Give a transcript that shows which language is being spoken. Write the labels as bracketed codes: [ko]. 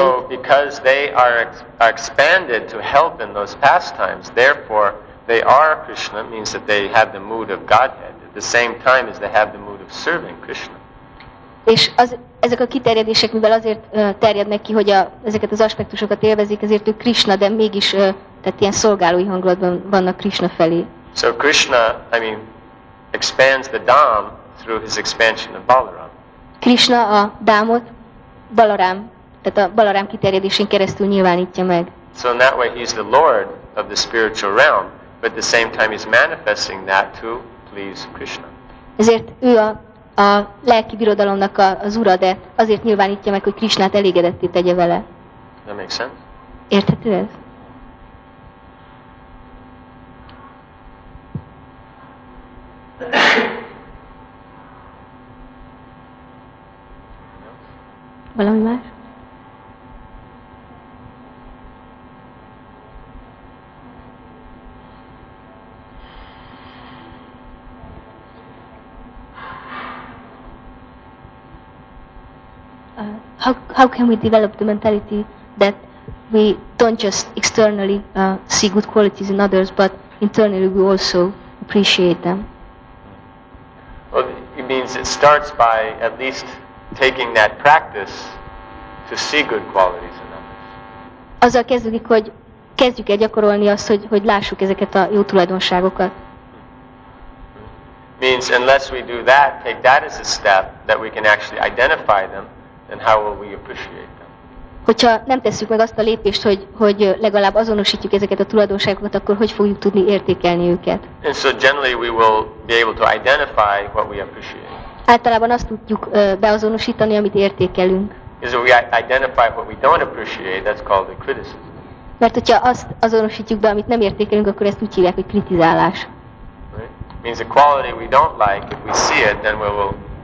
[en] So because they are expanded to help in those pastimes, therefore they are Krishna, means that they have the mood of Godhead at the same time as they have the mood of serving Krishna. [hu] És ezek a kiterjedések, mivel azért terjednek ki, hogy ezeket az aspektusokat élvezik, ezért ő Krishna, de mégis tehát ilyen szolgálói hangulatban vannak Krishna felé. [en] So Krishna, I mean, expands the Dham through his expansion of Balaram. [hu] Krishna a Dhamot Balaram, tehát a Balaram kiterjedésén keresztül nyilvánítja meg. [en] So in that way he's the lord of the spiritual realm, but at the same time he's manifesting that to please Krishna. [hu] Ezért ő a lelki birodalomnak az ura, de azért nyilvánítja meg, hogy Krishnát elégedetté tegye vele. [en] That makes sense? [hu] Érthető ez? Valami más? [en] How can we develop the mentality that we don't just externally see good qualities in others, but internally we also appreciate them? Well, it means it starts by at least taking that practice to see good qualities in others. [hu] Azzal kezdődik, hogy kezdjük el gyakorolni azt, hogy lássuk ezeket a jó tulajdonságokat. [en] Means unless we do that, take that as a step that we can actually identify them, then how will we appreciate them? [hu] Hogyha nem tesszük meg azt a lépést, hogy legalább azonosítjuk ezeket a tulajdonságokat, akkor hogy fogjuk tudni értékelni őket? [en] And so generally we will be able to identify what we appreciate. [hu] Általában azt tudjuk beazonosítani, amit értékelünk. [en] Is we identify what we don't appreciate, that's called a criticism. [hu] Mert hogyha azt azonosítjuk be, amit nem értékelünk, akkor ezt úgy hívják, hogy kritizálás. [en] Right? Means a quality we don't like, if we see it, then we will.